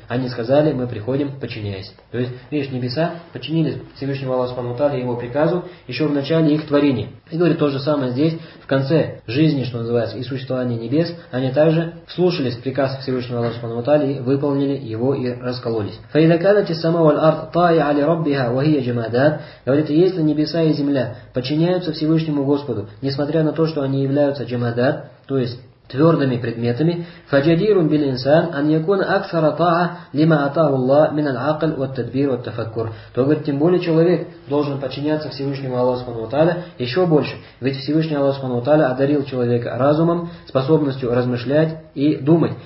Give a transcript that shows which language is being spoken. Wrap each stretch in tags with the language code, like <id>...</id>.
<ru>Они сказали, мы приходим, подчиняясь. То есть, видишь, небеса подчинились Всевышнему Аллаху Субхану ва Тааля и его приказу еще в начале их творения. И говорит, то же самое здесь, в конце жизни, что называется, и существования небес, они также слушались приказ Всевышнего Аллаха Субхану ва Тааля и выполнили его и раскололись.</ru> <ar>Фаидаканати самауль ард طائعة لربها وهي جمادات.</ar> <ru>Говорит, если небеса и земля подчиняются Всевышнему Господу, несмотря на то, что они являются جمادات, то есть твердыми предметами,</ru> <ar>فجديرٌ بالإنسان أن يكون أكثر طاعة لما أعطاه الله من العقل والتدبير والتفكر.</ar> <ru>То говорит, тем более человек должен подчиняться Всевышнему Аллаху Субхану ва Тааля еще больше, ведь Всевышний Аллах Субхану ва Тааля одарил человека разумом, способностью размышлять и думать.</ru>